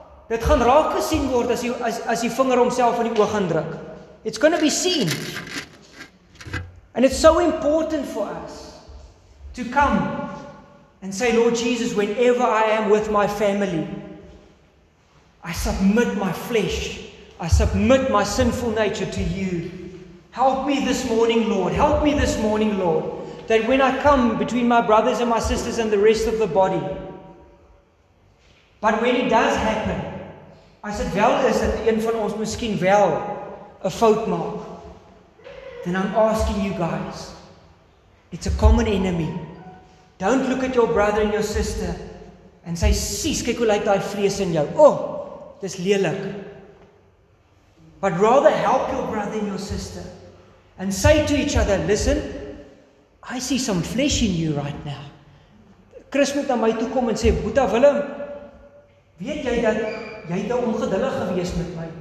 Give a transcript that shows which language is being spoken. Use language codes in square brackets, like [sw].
[af] Dit gaan raak gesien word as die vinger homself in die oog gaan druk. [en] It's going to be seen. And it's so important for us to come and say, Lord Jesus, whenever I am with my family, I submit my flesh. I submit my sinful nature to you. Help me this morning, Lord. Help me this morning, Lord, that when I come between my brothers and my sisters and the rest of the body, but when it does happen, I said, [af] wel is dit een van ons miskien wel 'n fout maak. [en] Then I'm asking you guys, it's a common enemy. Don't look at your brother and your sister and say, [af] sies, kyk hoe lyk daai vlees in jou. [en] Oh, [af] dis lelik. [en] But rather help your brother and your sister and say to each other, listen, I see some flesh in you right now. [af] Chris moet na my toe kom en sê, Boeta Willem, weet jy dat jy te ongeduldig gewees met my?